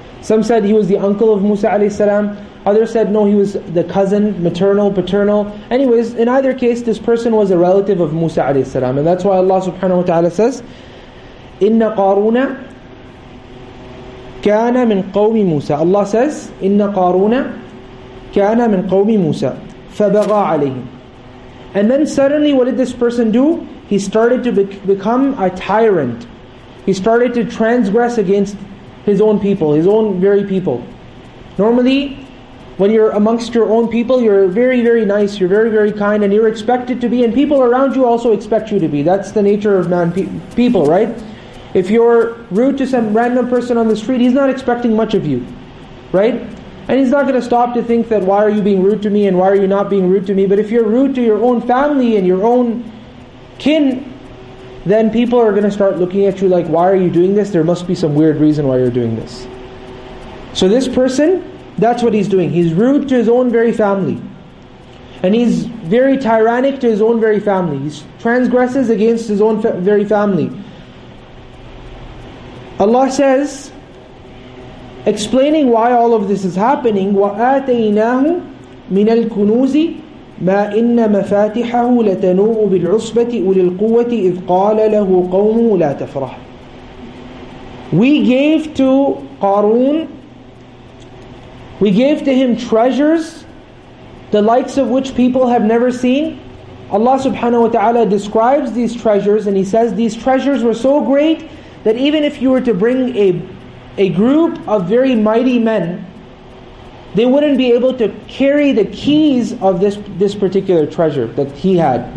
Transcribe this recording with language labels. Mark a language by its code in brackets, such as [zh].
[en] Some said he was the uncle of Musa alayhi salam. Others said no, he was the cousin, maternal, paternal. Anyways, in either case, this person was a relative of Musa alayhi salam. And that's why Allah subhanahu wa ta'ala says, [ar] إِنَّ قَارُونَ كَانَ مِنْ قَوْمِ مُوسَى. [en] Allah says, [ar] إِنَّ قَارُونَ كَانَ مِنْ قَوْمِ مُوسَى فَبَغَى عَلَيْهِمْ. [en] And then suddenly, what did this person do? He started to become a tyrant. He started to transgress against his own people, his own very people. Normally, when you're amongst your own people, you're very, very nice, you're very, very kind, and you're expected to be, and people around you also expect you to be. That's the nature of man, people, right? If you're rude to some random person on the street, he's not expecting much of you, right? And he's not going to stop to think that, why are you being rude to me, and why are you not being rude to me? But if you're rude to your own family and your own kin, then people are going to start looking at you like, why are you doing this? There must be some weird reason why you're doing this. So this person, that's what he's doing. He's rude to his own very family. And he's very tyrannic to his own very family. He transgresses against his own very family. Allah says, explaining why all of this is happening, [ar] وَآتَيْنَاهُ مِنَ الْكُنُوزِ مَا إِنَّ مَفَاتِحَهُ لَتَنُوءُ بِالْعُصْبَةِ أُولِي الْقُوَّةِ إِذْ قَالَ لَهُ قَوْمُهُ لَا تَفْرَحْ. [en] We gave to Qarun, we gave to him treasures, the likes of which people have never seen. Allah subhanahu wa ta'ala describes these treasures and he says, these treasures were so great that even if you were to bring a group of very mighty men, they wouldn't be able to carry the keys of this particular treasure that he had.